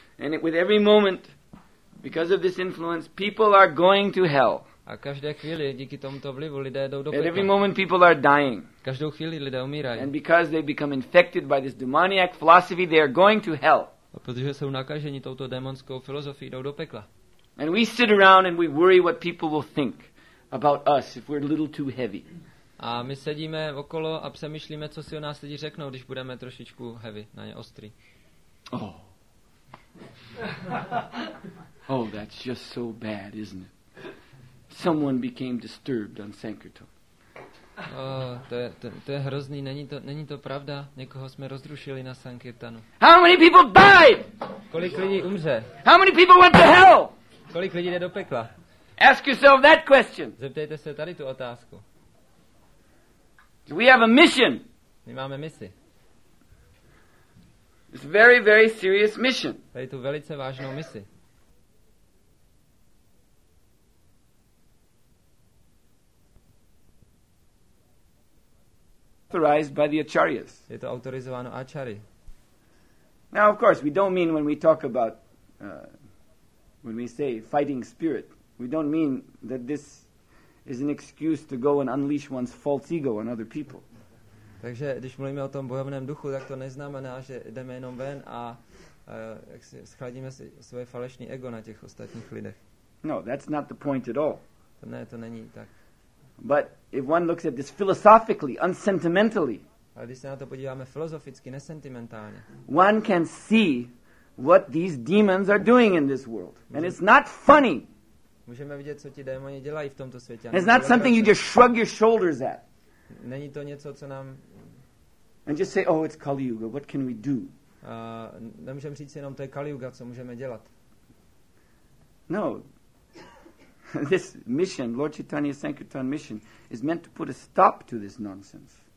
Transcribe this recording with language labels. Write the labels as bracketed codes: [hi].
[en] And with every moment, because of this influence, people are going to hell. [cs] A každé chvíli díky tomuto vlivu lidé jdou do pekla. [en] At every moment people are dying. [cs] Každou chvíli lidé umírají. [en] And because they become infected by this demoniac philosophy, they are going to hell. [cs] A protože jsou nakaženi touto démonskou filozofií, jdou do pekla. [en] And we sit around and we worry what people will think about us if we're a little too heavy. [cs] A my sedíme okolo a přemýšlíme, co si o nás lidi řeknou, když budeme trošičku heavy, na ně ostrý. Oh. [en] Oh, that's just so bad, isn't it? Someone became disturbed on Sankirtan. [cs] Oh, to je hrozný, není to pravda? Někoho jsme rozrušili na Sankirtanu. [en] How many people died? [cs] Kolik lidí umře? [en] How many people went to hell? [cs] Kolik lidí jde do pekla? [en] Ask yourself that question. [cs] Zeptejte se tady tu otázku. [en] Do we have a mission? [cs] My máme misi. [en] It's a very, very serious mission. [cs] Tady tu velice vážnou misi. [en] Authorized by the acharyas. [cs] Je to autorizováno achary. [en] Now, of course, we don't mean when we talk about when we say fighting spirit, we don't mean that this is an excuse to go and unleash one's false ego on other people. [cs] Takže když mluvíme o tom bojovném duchu, tak to neznamená, že jdeme jenom ven a schladíme si svoje falešné ego na těch ostatních lidech. [en] No, that's not the point at all. [cs] To není tak. [en] But if one looks at this philosophically, unsentimentally, [cs] ale když se na to podíváme filozoficky, nesentimentálně, [en] one can see what these demons are doing in this world. And it's not funny. [cs] Můžeme vidět, co ti démoni dělají v tomto světě. [en] It's not something you just shrug your shoulders at. [cs] Není to něco, co nám... [en] And just say, oh, it's Kali Yuga, what can we do? [cs] Nemůžeme říct jenom, to je Kaliuga, co můžeme dělat. [en] No. This mission, Lord Chaitanya Sankirtan mission, is meant to put a stop to this nonsense.